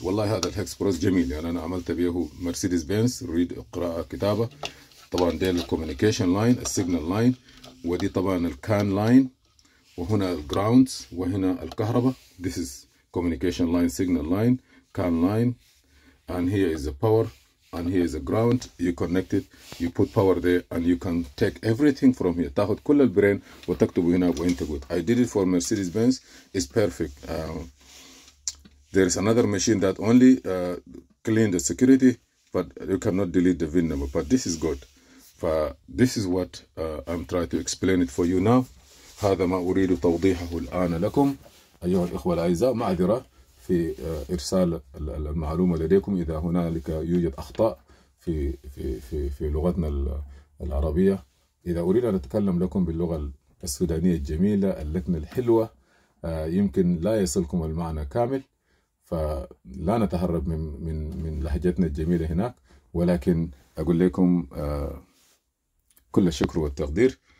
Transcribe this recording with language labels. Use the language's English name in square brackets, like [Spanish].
[Arabic] والله هذا Hexaproc جميل. يعني أنا عملت بيه هو مرسيدس بنز ريد قراءة كتابة. طبعا ده الكوميونيكيشن لاين السيجنال لاين. ودي طبعا الكان لاين. وهنا الجراوندز وهنا الكهرباء. [English] This is communication line, signal line, can line. And here is the power and here is the ground. You connect it, you put power there and you can take everything from here. [Arabic] تاخد كل البرين وتكتب هنا وانت قلت. [English] I did it for Mercedes-Benz. It's perfect. There is another machine that only clean the security, but you cannot delete the VIN number. But this is good. This is what I'm trying to explain it for you now. [Arabic] هذا ما أريد توضيحه الآن لكم. أيها الإخوة الأعزاء معذرة. في إرسال المعلومة لديكم إذا هنالك يوجد أخطاء في في في في لغتنا العربية. إذا أريد أن أتكلم لكم باللغة السودانية الجميلة اللكنة الحلوة يمكن لا يصلكم المعنى كامل، فلا نتهرب من لهجتنا الجميلة هناك، ولكن أقول لكم كل الشكر والتقدير.